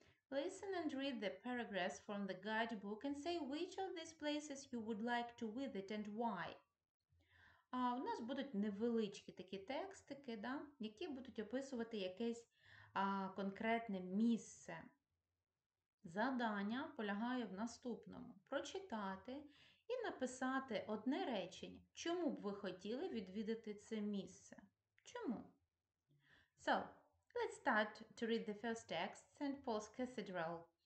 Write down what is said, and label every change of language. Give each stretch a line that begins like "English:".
English: Listen and read the paragraphs from the guidebook and say which of these places you would like to visit and why.
Ukrainian: У нас будуть невеличкі такі текстики, да, які будуть описувати якесь конкретне місце. Завдання полягає в наступному – прочитати і написати одне речення, чому б ви хотіли відвідати це місце. Чому?
English: So, let's start to read the first text, St. Paul's Cathedral.